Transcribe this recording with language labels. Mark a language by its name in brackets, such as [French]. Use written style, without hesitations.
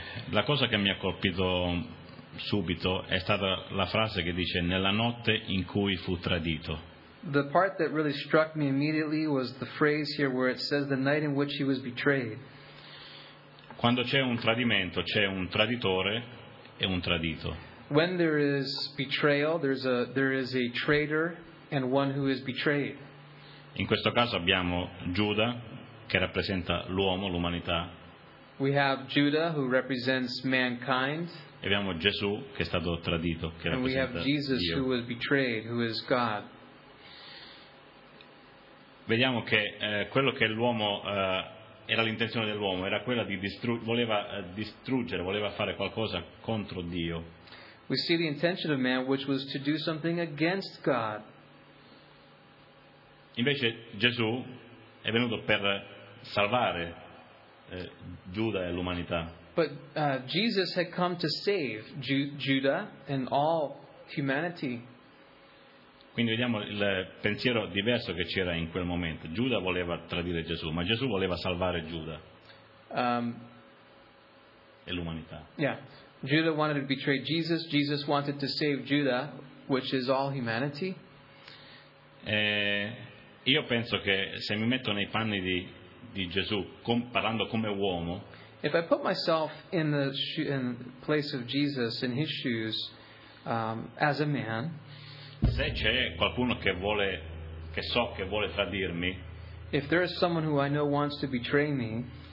[Italian] La cosa che mi ha colpito subito è stata la frase che dice nella notte in cui fu tradito. [English] The part that really struck me immediately was the phrase here where it says the night in which he was betrayed. [Italian] Quando c'è un tradimento, c'è un traditore e un tradito. [English] When there is betrayal, there is a traitor and one who is betrayed. [Italian] In questo caso abbiamo Giuda che rappresenta l'uomo, l'umanità. [English] We have Judah who represents mankind. [Italian] E abbiamo Gesù che è stato tradito, che rappresenta Dio. [English] And we have Jesus [Italian] Dio. [English] Who was betrayed, who is God. [Italian] Vediamo che quello che l'uomo era l'intenzione dell'uomo era quella di distruggere, voleva fare qualcosa contro Dio. [English] We see the intention of man, which was to do something against God. [Italian] Invece Gesù è venuto per salvare Giuda e l'umanità. [English] But Jesus had come to save Judah and all humanity. [Italian] Quindi vediamo il pensiero diverso che c'era in quel momento. Giuda voleva tradire Gesù, ma Gesù voleva salvare Giuda e l'umanità. [English] Yeah. Judah wanted to betray Jesus. Jesus wanted to save Judah, which is all humanity. [Italian] Io penso che se mi metto nei panni di Gesù, parlando come uomo, [English] if I put myself in the place of Jesus, in his shoes, as a man, [Italian] se c'è qualcuno che vuole, che so che vuole tradirmi, [English] if there is someone who I know wants to betray me,